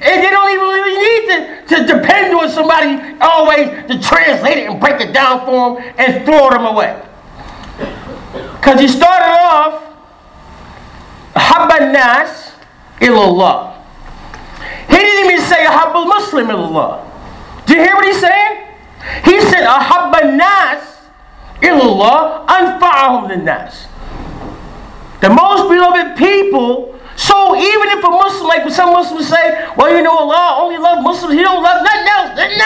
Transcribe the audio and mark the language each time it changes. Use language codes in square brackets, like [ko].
[en] And they don't even really need to depend on somebody always to translate it and break it down for them and throw them away. Because he started off, [ar] حَبَّ النَّاسِ إِلَى اللَّهِ. [en] He didn't even say [ar] أحب المسلم إلى الله. [en] Do you hear what he's saying? He said [ar] أحب الناس إلى الله أنفعهم للناس. [en] The most beloved people. So even if a Muslim, like some Muslims say, well, you know, Allah only loves Muslims, he don't love nothing else.